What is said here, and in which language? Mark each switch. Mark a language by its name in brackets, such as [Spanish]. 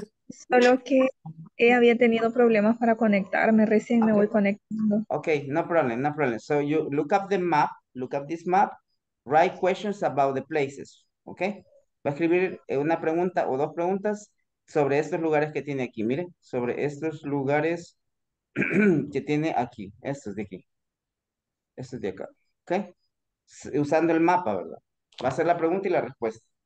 [Spanish] Solo que había tenido problemas para conectarme, recién me voy conectando. [English] Okay, no problem, no problem. So you look up the map, look up this map, write questions about the places, okay? [Spanish] Va a escribir una pregunta o dos preguntas sobre estos lugares que tiene aquí, mire, sobre estos lugares que tiene aquí, estos de aquí, estos de acá, okay? Usando el mapa, ¿verdad? Va a hacer la pregunta y la respuesta.